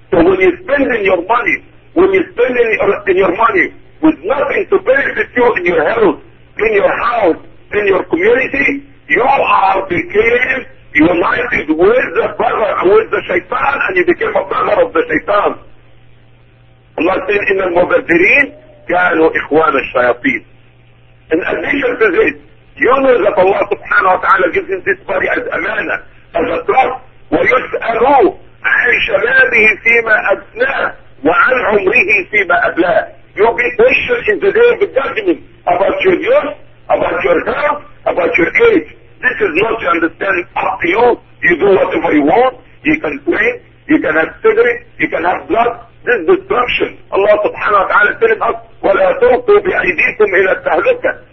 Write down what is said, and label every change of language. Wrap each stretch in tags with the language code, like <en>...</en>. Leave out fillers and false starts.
<en>So when you spend in your money, when you spend in your money with nothing to benefit you in your health, in your house, in your community, you are became united with the brother, with the shaitan, and you became a brother of the shaitan. Allah said,</en> <ar>إِنَّ الْمُبَذِّرِينَ كانوا إخوان الشياطين.</ar> <en>In addition to this, you know that Allah subhanahu wa ta'ala gives him this body as amana, as a trust.</en> <ar>ويسألوا عن شبابه فيما أبناه وعن عمره فيما أبلاه.</ar> <en>You'll be questioned in the day of judgment about your youth, about your health, about your age. This is not to understand up to you. You do whatever you want. You can drink. You can have cigarettes. You can have blood. This is destruction.</en> <ar>Allah subhanahu wa ta'ala</ar> <en>telling us,</en> <ar>وَلَا تُوْقُوا بِأَيْدِيكُمْ إِلَى التَّهْلُكَةِ.</ar>